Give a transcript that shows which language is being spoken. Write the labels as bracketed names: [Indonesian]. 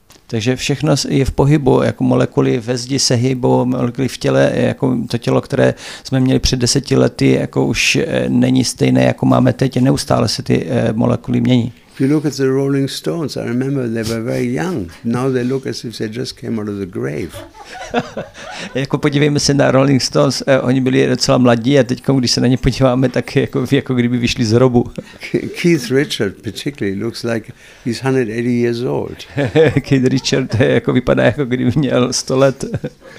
[Czech] Takže všechno je v pohybu, jako molekuly ve zdi se hýbou, molekuly v těle, jako to tělo, které jsme měli před 10 lety, jako už není stejné, jako máme teď. Neustále se ty molekuly mění. [English] If you look at the Rolling Stones, I remember they were very young. Now they look as if they just came out of the grave. [Czech] Jako podívejme se na Rolling Stones, oni byli docela mladí a teď, když se na ně podíváme, tak jako kdyby vyšli z hrobu. [English] Keith Richard particularly looks like he's 180 years old. [Czech] Keith Richard jako vypadá, jako kdyby měl 100 let.